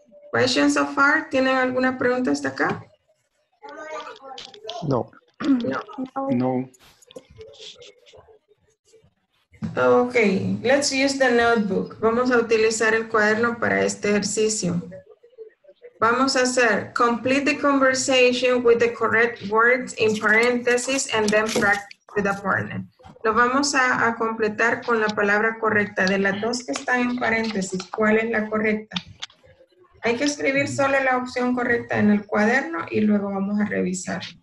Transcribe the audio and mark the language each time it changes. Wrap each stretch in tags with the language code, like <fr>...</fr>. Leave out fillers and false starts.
<en>Questions so far?</en> <es>¿Tienen alguna pregunta hasta acá? No. No. No.</es> <en>Ok, let's use the notebook.</en> <es>Vamos a utilizar el cuaderno para este ejercicio. Vamos a hacer,</es> <en>complete the conversation with the correct words in parentheses and then practice with the partner.</en> <es>Lo vamos a completar con la palabra correcta. De las dos que están en paréntesis, ¿cuál es la correcta? Hay que escribir solo la opción correcta en el cuaderno y luego vamos a revisar.</es>